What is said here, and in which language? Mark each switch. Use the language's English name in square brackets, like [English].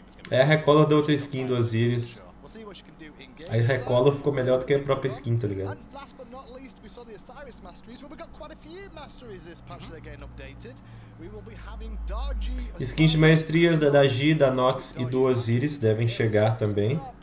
[Portuguese] É a recola da outra skin do Osiris. A recola ficou melhor do que a própria skin, tá ligado? [English] And last but not least, we saw the Osiris Masteries. Well, we got quite a few Masteries this patch that are getting updated. We will be having Dargi, Osiris, [Portuguese] skins de maestrias da Dagi, da Nox e do Osiris devem chegar também.